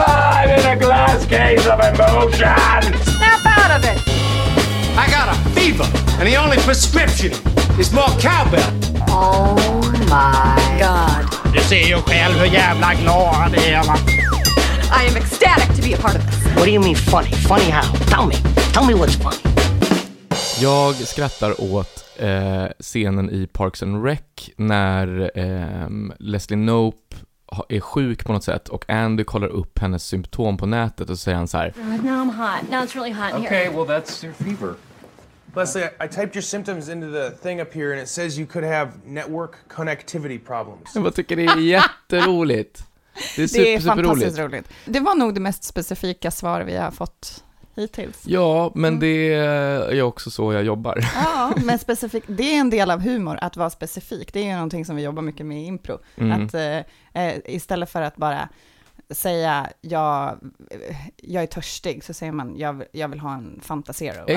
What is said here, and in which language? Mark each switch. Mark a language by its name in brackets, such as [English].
[English] I'm in a glass case of emotion. Snap out of it. I got a fever and the only prescription is more cowbell. Oh my god. [Swedish] Du ser ju själv hur jävla glad jag är. [English] I am ecstatic to be a part of this. What do you mean funny? Funny how? Tell me what's funny. [Swedish] Jag skrattar åt scenen i Parks and Rec när Leslie Knope är sjuk på något sätt och Andy kollar upp hennes symptom på nätet och säger han så här: [English] Now I'm hot. Now it's really hot in here. Okay, well that's your fever. Leslie, I typed your symptoms into the thing up here and it says you could have network connectivity problems. [Swedish] Jag tycker det är jätteroligt. Det är superroligt. Det är fantastiskt roligt. Det var nog det mest specifika svar vi har fått. Hittills. Ja, men det är också så jag jobbar. Ja, men specifikt, det är en del av humor att vara specifik. Det är ju någonting som vi jobbar mycket med i impro. Mm. Att istället för att bara säga jag är törstig så säger man jag vill ha en Fanta Zero.